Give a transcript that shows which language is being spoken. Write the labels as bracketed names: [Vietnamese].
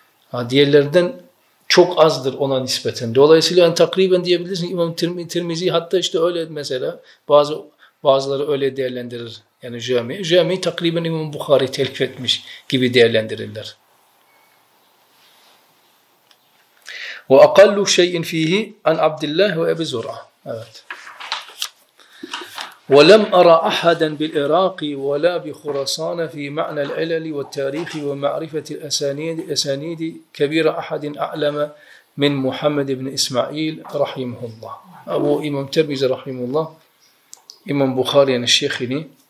[Turkish] Ha, diğerlerden çok azdır ona nispeten. Dolayısıyla yani takriben diyebilirsin İmam Tirmizi hatta işte öyle mesela bazıları öyle değerlendirir. Yani Cami'yi takriben İmam Bukhari telif etmiş gibi değerlendirirler. [Arabic] وَاَقَلُّ شَيْءٍ ف۪يهِ عَنْ عَبْدِ اللّٰهِ وَاَبِ زُرْعَ evet. وَلَمْ أَرَى أَحَدًا بِالْاِرَاقِ وَلَا بِخُرَسَانَ ف۪ي مَعْنَى الْعِلَلِ وَالْتَارِيخِ وَمَعْرِفَةِ الْأَسَانِيدِ كَبِيرَ أَحَدٍ أَعْلَمَ مِنْ مُحَمَّدِ بْنِ إِسْمَعِيلِ رَحِيمُهُ اللّٰهِ [Turkish] Ebu İmam Tirmizi rahimullah, İmam Bukhari yani şeyhini,